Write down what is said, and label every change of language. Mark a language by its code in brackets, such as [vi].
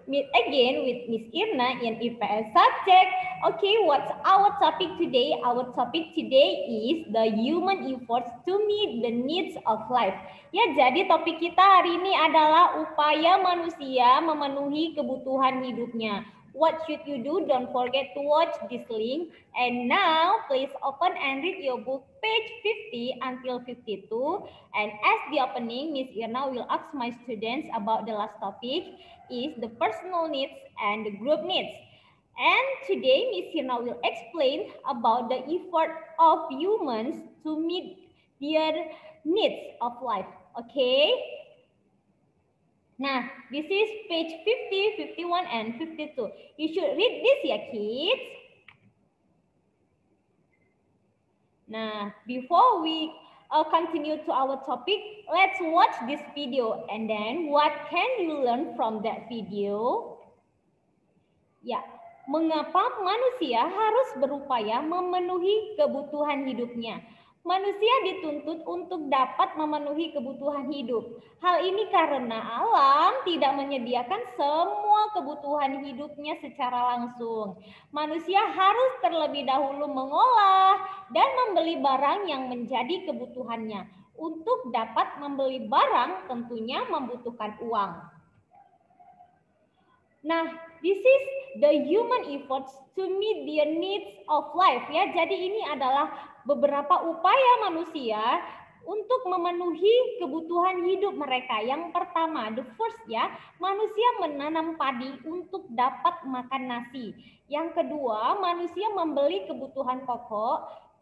[en] Meet again with Miss Irna in EPS subject. Okay, what's our topic today? Our topic today is the human efforts to meet the needs of life. [id] Ya, jadi topik kita hari ini adalah upaya manusia memenuhi kebutuhan hidupnya. [en] What should you do? Don't forget to watch this link. And now, please open and read your book, page 50 until 52. And as the opening, Miss Irna will ask my students about the last topic, is the personal needs and the group needs. And today, Miss Irna will explain about the effort of humans to meet their needs of life. Okay? Nah, this is page 50, 51, and 52. You should read this ya, kids. Nah, before we continue to our topic, let's watch this video. And then, what can you learn from that video? [id] Ya, mengapa manusia harus berupaya memenuhi kebutuhan hidupnya? Manusia dituntut untuk dapat memenuhi kebutuhan hidup. Hal ini karena alam tidak menyediakan semua kebutuhan hidupnya secara langsung. Manusia harus terlebih dahulu mengolah dan membeli barang yang menjadi kebutuhannya. Untuk dapat membeli barang tentunya membutuhkan uang. [en] Nah, this is the human efforts to meet the needs of life. [id] Ya, jadi ini adalah beberapa upaya manusia untuk memenuhi kebutuhan hidup mereka. Yang pertama, [en] the first [id] ya, manusia menanam padi untuk dapat makan nasi. Yang kedua, manusia membeli kebutuhan pokok.